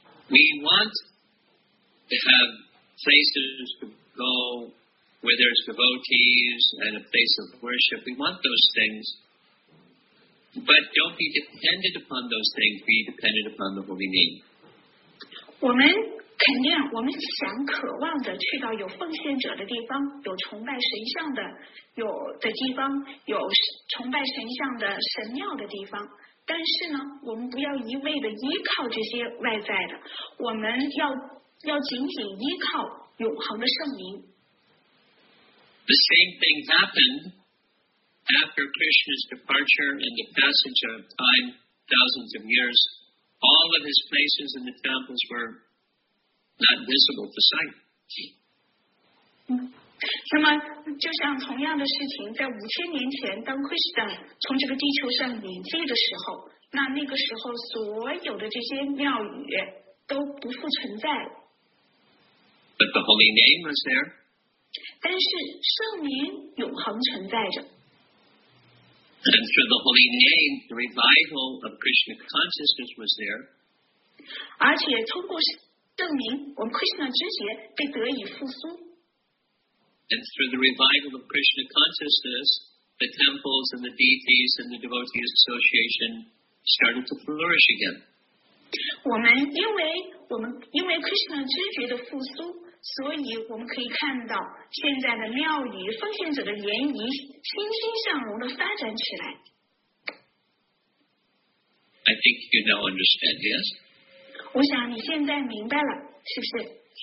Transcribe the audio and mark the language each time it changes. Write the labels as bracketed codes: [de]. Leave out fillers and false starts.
[en] We want to have places to go where there's devotees and a place of worship. We want those things, but don't be dependent upon those things. Be dependent upon the holy name. [zh] 我们肯定，我们想渴望着去到有奉献者的地方，有崇拜神像的。有的地方有崇拜神像的神庙的地方，但是呢，我们不要一味的依靠这些外在的，我们要紧紧依靠永恒的圣灵。 [en] The same thing happened after Krishna's departure and the passage of time, thousands of years. All of his places and the temples were not visible to sight. [zh] 那么就像同样的事情在五千年前当 Krishna 从这个地球上离去的时候，那个时候所有的这些庙宇都不复存在了。 [en] But the holy name was there. [zh] 但是圣名永恒存在着。 [en] And through the holy name, the revival of Krishna consciousness was there. [zh] 而且通过圣名，我们 Krishna 知觉被得以复苏。 [en] And through the revival of Krishna consciousness, the temples and the deities and the devotees association started to flourish again. [zh] 我们因为 Krishna 知觉的复苏，所以我们可以看到现在的庙宇奉献者的联谊欣欣向荣的发展起来。 [en] I think you now understand, yes? [zh] 我想你现在明白了，是不是？